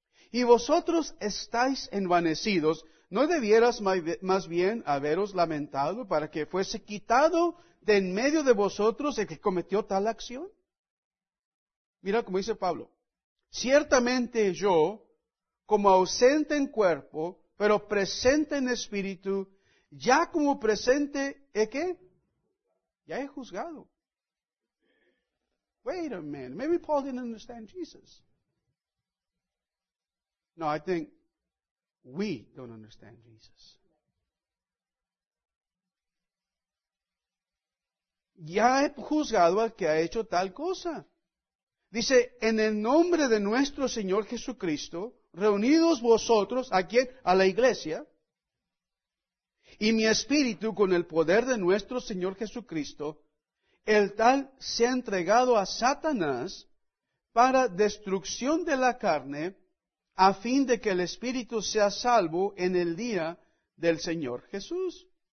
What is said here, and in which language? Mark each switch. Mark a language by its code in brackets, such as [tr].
[es] Y vosotros estáis envanecidos, ¿no debieras más bien haberos lamentado para que fuese quitado de en medio de vosotros el que cometió tal acción? Mira cómo dice Pablo, ciertamente yo, como ausente en cuerpo, pero presente en espíritu, ya como presente, ¿he qué? Ya he juzgado. [en] Wait a minute, maybe Paul didn't understand Jesus. No, I think we don't understand Jesus. [es] Ya he juzgado al que ha hecho tal cosa. Dice, en el nombre de nuestro Señor Jesucristo, reunidos vosotros, ¿a quién? A la iglesia. Y mi espíritu con el poder de nuestro Señor Jesucristo, el tal se ha entregado a Satanás para destrucción de la carne, a fin de que el Espíritu sea salvo en el día del Señor Jesús.